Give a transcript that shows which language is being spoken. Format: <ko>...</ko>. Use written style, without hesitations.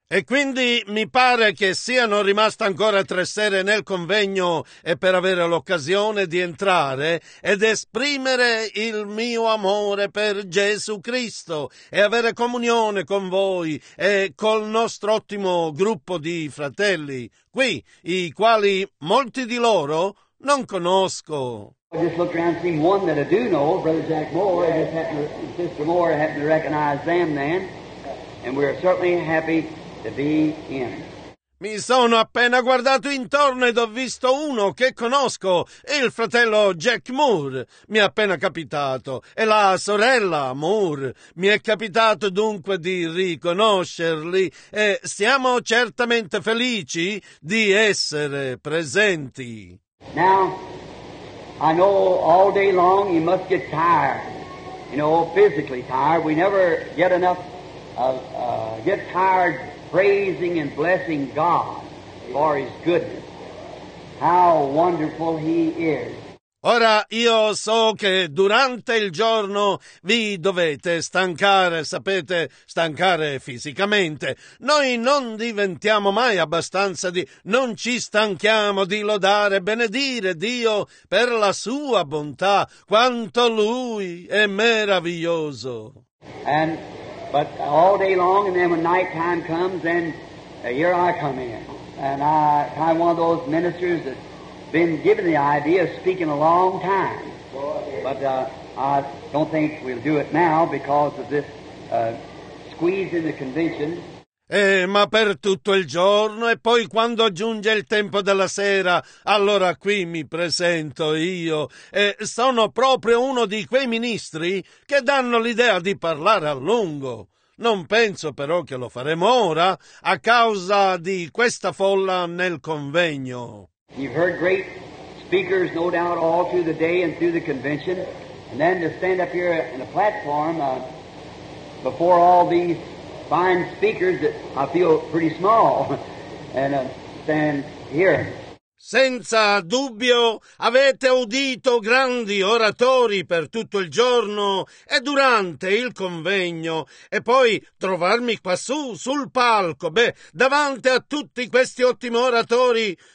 <it>E quindi mi pare che siano rimaste ancora 3 sere nel convegno e per avere l'occasione di entrare ed esprimere il mio amore per Gesù Cristo e avere comunione con voi e col nostro ottimo gruppo di fratelli qui, i quali molti di loro non conosco.</it> <en>I just looked around and seen one that I do know, Brother Jack Moore. Yeah. I just happened to, Sister Moore, I happened to recognize them then. And we're certainly happy to be in.</en> <it>Mi sono appena guardato intorno ed ho visto uno che conosco, il fratello Jack Moore, mi è appena capitato, e la sorella Moore, mi è capitato dunque di riconoscerli, e siamo certamente felici di essere presenti.</it> <en>Now, I know all day long you must get tired, you know, physically tired. We never get enough of get tired praising and blessing God for His goodness. How wonderful He is.</en> <it>Ora io so che durante il giorno vi dovete stancare, sapete, stancare fisicamente. Noi non diventiamo mai abbastanza di... non ci stanchiamo di lodare, benedire Dio per la sua bontà, quanto Lui è meraviglioso.</it> <en>And, but all day long, and then when night time comes, then here I come in. And I'm one of those ministers that... been given the idea of speaking a long time, but I don't think we'll do it now because of this squeeze in the convention.</en> <it>Ma per tutto il giorno e poi quando giunge il tempo della sera, allora qui mi presento io e sono proprio uno di quei ministri che danno l'idea di parlare a lungo. Non penso però che lo faremo ora a causa di questa folla nel convegno.</it> <en>You've heard great speakers, no doubt, all through the day and through the convention. And then to stand up here in a platform before all these fine speakers, I feel pretty small. And stand here.</en> <it>Senza dubbio avete udito grandi oratori per tutto il giorno e durante il convegno e poi trovarmi quassù sul palco, davanti a tutti questi ottimi oratori.</it>